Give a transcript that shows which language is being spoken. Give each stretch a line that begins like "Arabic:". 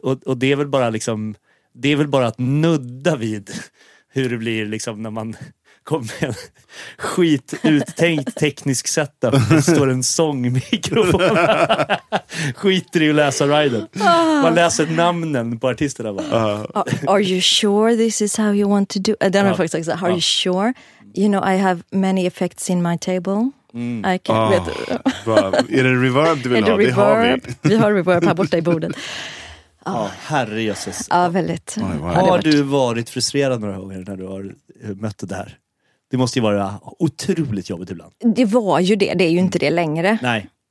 Swedish: Och det är väl bara liksom, det är väl bara att nudda vid hur det blir liksom när man kommer med en skit uttänkt teknisk setup och det står en sångmikrofon. Skiter i att läsa Ryder. Man läser namnen på artisterna.
English: Are you sure this is how you want to do it? Then I was like, are you sure? You know, I have many effects in my table. I can't wait.
Swedish: Är det reverb du vill ha? Det har vi. Vi har reverb här borta i bordet. Herrejösses. Ja, väldigt. Har du varit frustrerad några gånger när du har mött det här? Det måste ju vara otroligt jobbigt ibland. Det var ju det. Det är ju inte det längre. Nej.